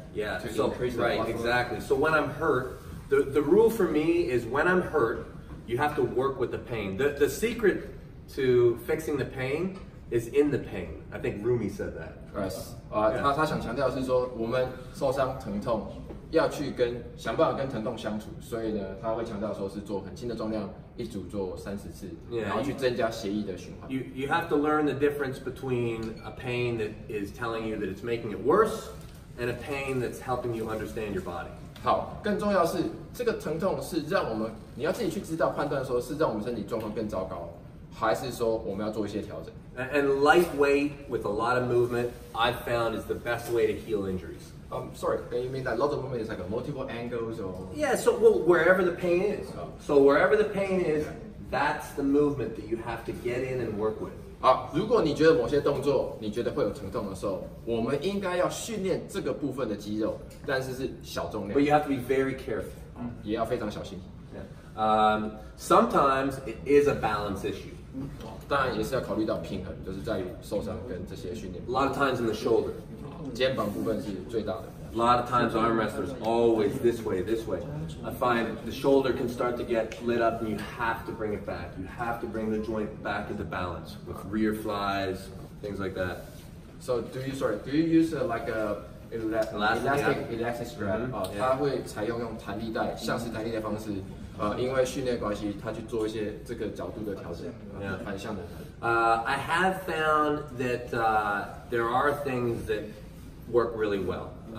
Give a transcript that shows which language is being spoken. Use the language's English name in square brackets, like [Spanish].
[English] Yeah. So right, exactly. So when I'm hurt, the rule for me is when I'm hurt, you have to work with the pain. The secret to fixing the pain is in the pain. I think Rumi said that. Yes. [Chinese] 他想强调是说，我们受伤疼痛要去跟想办法跟疼痛相处，所以呢，他会强调说是做很轻的重量。一组做三十次， [English] yeah, [Chinese] 然后去增加血液的循环。 [English] You have to learn the difference between a pain that is telling you that it's making it worse, and a pain that's helping you understand your body. [Chinese] 好，更重要是这个疼痛是让我们，你要自己去知道判断说是让我们身体状况更糟糕，还是说我们要做一些调整。 [English] And lightweight with a lot of movement, I've found is the best way to heal injuries. You mean that lots of movement is like a multiple angles or? Yeah, so well, wherever the pain is. So wherever the pain is, that's the movement that you have to get in and work with. [Chinese] 如果你觉得某些动作你觉得会有疼痛的时候，我们应该要训练这个部分的肌肉，但是是小重量。 [English] But you have to be very careful. [Chinese] 也要非常小心。 [English] Sometimes it is a balance issue. [Chinese] 当然也是要考虑到平衡，就是在于受伤跟这些训练。 [English] A lot of times in the shoulder. [Chinese] 肩膀部分是最大的。 [English] A lot of times arm wrestlers always this way. I find the shoulder can start to get lit up and you have to bring it back. You have to bring the joint back into balance with rear flies, things like that. So do you use an elastic strap? Mm-hmm. [Chinese] 因为训练关系，他去做一些这个角度的调整，反向的。 [English] I have found that there are things that work really well.